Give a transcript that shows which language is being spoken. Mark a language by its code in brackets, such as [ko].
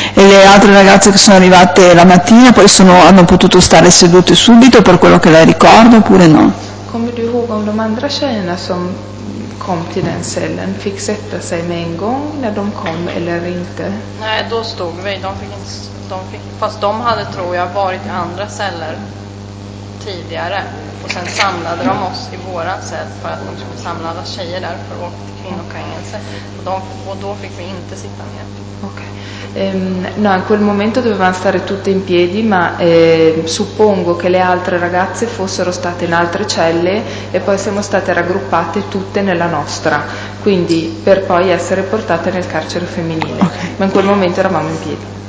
[it] E le altre ragazze che sono arrivate la mattina poi hanno potuto stare sedute subito per quello che lei ricorda oppure no? [sv] Kommer du ihåg om de andra tjejerna som kom till den cellen fick sätta sig med en gång när de kom eller inte? Nej, då stod vi. Fast de hade, tror jag, varit i andra celler tidigare. Och sen samlade de oss i våran cell för att de skulle samla alla tjejer där för att åka till kvinnokängelse. Och då fick vi inte sitta ner. Okay. [it] No, in quel momento dovevamo stare tutte in piedi, ma suppongo che le altre ragazze fossero state in altre celle e poi siamo state raggruppate tutte nella nostra, quindi per poi essere portate nel carcere femminile. Okay. Ma in quel momento eravamo in piedi.